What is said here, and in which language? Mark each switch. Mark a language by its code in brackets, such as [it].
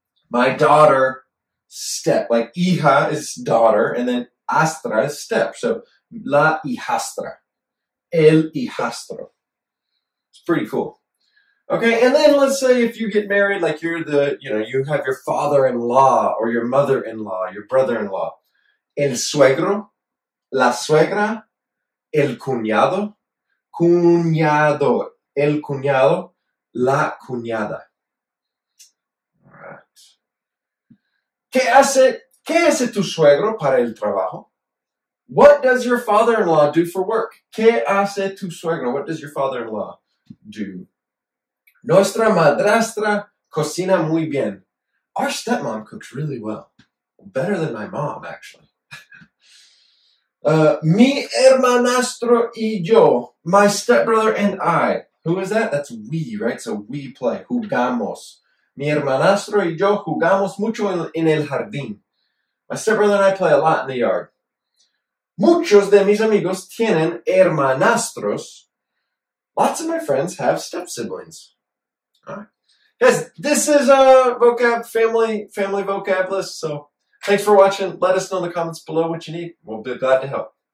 [en] My daughter, step. Like, hija is daughter, and then astra is step. So, [es] La hijastra. El hijastro. [en] It's pretty cool. Okay, and then let's say if you get married, like you're the, you know, you have your father-in-law or your mother-in-law, your brother-in-law. [es] El suegro, la suegra, el cuñado, cuñado, el cuñado, la cuñada. [en] All right. [es] ¿Qué hace tu suegro para el trabajo? [en] What does your father-in-law do for work? [es] ¿Qué hace tu suegro? [en] What does your father-in-law do? [es] Nuestra madrastra cocina muy bien. [en] Our stepmom cooks really well. Better than my mom, actually. [es] Mi hermanastro y yo. [en] My stepbrother and I. Who is that? That's we, right? So we play. [es] Jugamos. Mi hermanastro y yo jugamos mucho en el jardín. [en] My stepbrother and I play a lot in the yard. [es] Muchos de mis amigos tienen hermanastros. [en] Lots of my friends have step-siblings. Alright. Guys, this is a vocab, family vocab list. So thanks for watching. Let us know in the comments below what you need. We'll be glad to help.